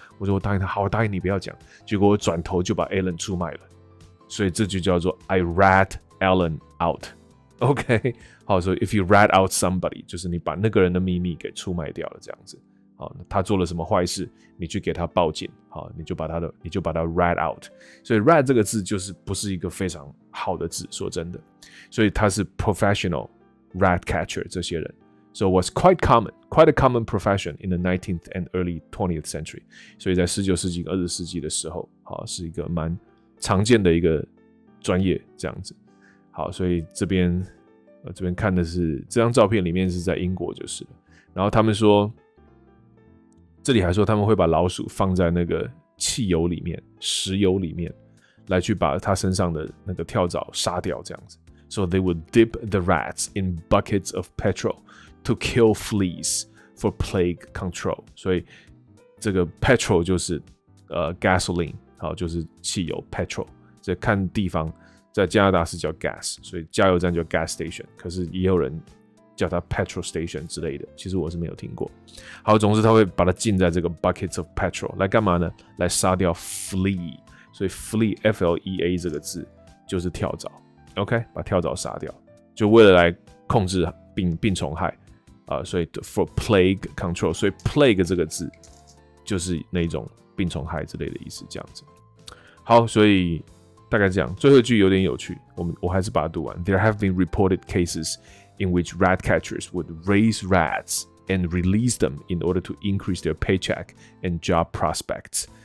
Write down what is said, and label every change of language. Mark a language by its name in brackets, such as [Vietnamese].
[Chinese] 我说我答应他，好，我答应你不要讲，结果我转头就把 Alan 出卖了，所以这就叫做 [English] I rat Alan out。 [Chinese] OK， 好，所以 [English] if you rat out somebody， [Chinese] 就是你把那个人的秘密给出卖掉了，这样子。好，他做了什么坏事，你去给他报警，好，你就把他 rat out。所以 rat 这个字就是不是一个非常好的字，说真的。所以他是 [English] professional rat catcher [Chinese] 这些人 [English] ，so was quite a common profession in the 19th and early 20th century。 [Chinese] 所以在19世纪、20世纪的时候，好，是一个蛮常见的一个专业，这样子。好，所以这边看的是这张照片，里面是在英国就是了。然后他们说，这里还说他们会把老鼠放在那个汽油里面、石油里面，来去把它身上的那个跳蚤杀掉，这样子。 [English] So they would dip the rats in buckets of petrol to kill fleas for plague control. [Chinese] 所以这个 petrol 就是gasoline， 好，就是汽油 petrol。这看地方。在加拿大是叫 gas， 所以加油站叫 gas station， 可是也有人叫它 petrol station 之类的，其实我是没有听过。好，总之他会把它浸在这个 [English] buckets of petrol [Chinese] 来干嘛呢？来杀掉 flea， 所以 flea F L E A 这个字就是跳蚤 ，OK， 把跳蚤杀掉，就为了来控制病虫害、所以 [English] for plague control， [Chinese] 所以 plague 这个字就是那种病虫害之类的意思，这样子。好，所以大概这样。最后一句有点有趣，我还是把它读完。 [English] There have been reported cases in which rat catchers would raise rats and release them in order to increase their paycheck and job prospects。